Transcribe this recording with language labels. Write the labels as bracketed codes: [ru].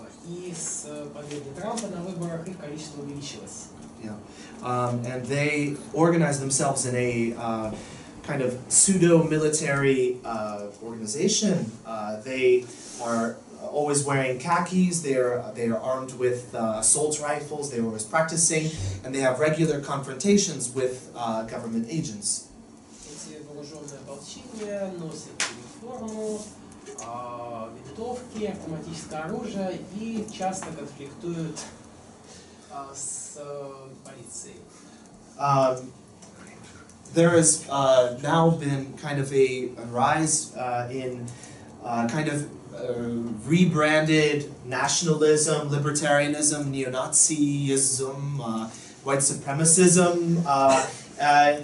[ru] И с победой Трампа на выборах их количество увеличилось. [en] Yeah. And they organize themselves in a kind of pseudo-military organization. They are always wearing khakis, they are armed with assault rifles, they're always practicing, and they have regular confrontations with government agents. [ru] Эти вооруженные ополчения носят униформу, винтовки, автоматическое оружие и часто конфликтуют с полицией. [en] There has now been kind of a rise in kind of rebranded nationalism, libertarianism, neo-Nazism, white supremacism.